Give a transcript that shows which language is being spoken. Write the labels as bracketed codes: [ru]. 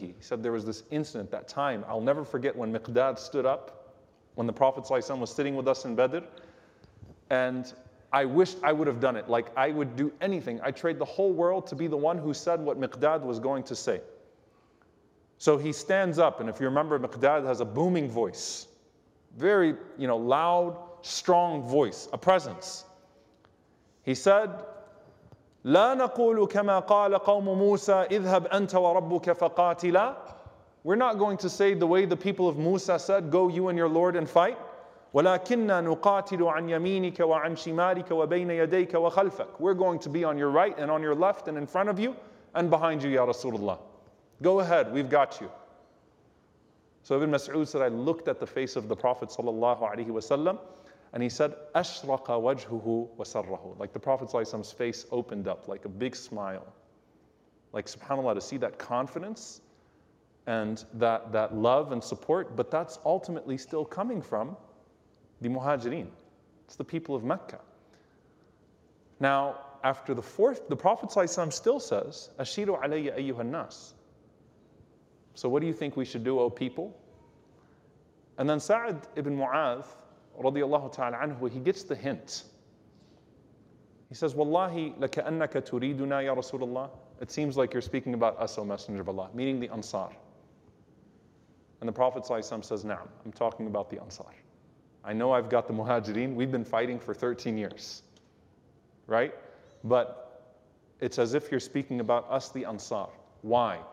[en] He said there was this incident, that time, I'll never forget when Miqdad stood up, when the Prophet ﷺ was sitting with us in Badr, and I wished I would have done it. Like, I would do anything. I trade the whole world to be the one who said what Miqdad was going to say. So he stands up, and if you remember, Miqdad has a booming voice. Very, you know, loud, strong voice, a presence. He said, [ar] لا نقول كما قال قوم موسى اذهب أنت وربك فقاتلا. [en] We're not going to say the way the people of Musa said, go you and your Lord and fight. [ar] وَلَكِنَّا نُقَاتِلُ عَنْ يَمِينِكَ وَعَنْ شِمَالِكَ وَبَيْنَ يَدَيْكَ وَخَلْفَكَ. [en] We're going to be on your right and on your left and in front of you and behind you, Ya Rasulullah. Go ahead, we've got you. So Ibn Mas'ud said, I looked at the face of the Prophet sallallahu alayhi wa sallam, and he said, [ar] أَشْرَقَ وَجْهُهُ وَسَرَّهُ. [en] Like the Prophet ﷺ's face opened up like a big smile. Like, subhanAllah, to see that confidence and that love and support, but that's ultimately still coming from the Muhajireen. It's the people of Mecca. Now, after the fourth, the Prophet ﷺ still says, [ar] أَشِيرُ عَلَيَّ أَيُّهَا النَّاسِ. [en] So what do you think we should do, O people? And then Sa'd ibn Mu'adh, radiallahu ta'ala anhu, he gets the hint. He says, Wallahi, [ar] لَكَأَنَّكَ تُرِيدُنَا يَا رَسُولَ اللَّهِ. [en] It seems like you're speaking about us, O Messenger of Allah, meaning the Ansar. And the Prophet ﷺ says, Na'am, I'm talking about the Ansar. I know I've got the Muhajireen. We've been fighting for 13 years, right? But it's as if you're speaking about us, the Ansar. Why?